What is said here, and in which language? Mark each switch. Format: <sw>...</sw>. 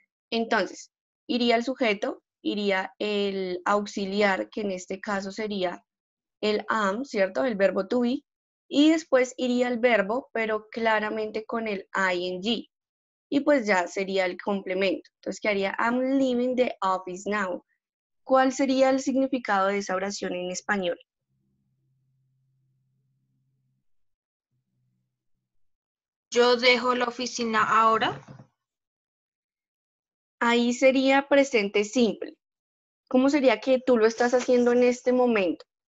<es>Entonces, iría el sujeto, iría el auxiliar, que en este caso sería el am, ¿cierto? El verbo to be. Y después iría el verbo, pero claramente con el ing. Y pues ya sería el complemento. Entonces, ¿qué haría?</es> <en>I'm leaving the office now.</en> <es>¿Cuál sería el significado de esa oración en español? Yo dejo la oficina ahora. Ahí sería presente simple. ¿Cómo sería que tú lo estás haciendo en este momento?</es>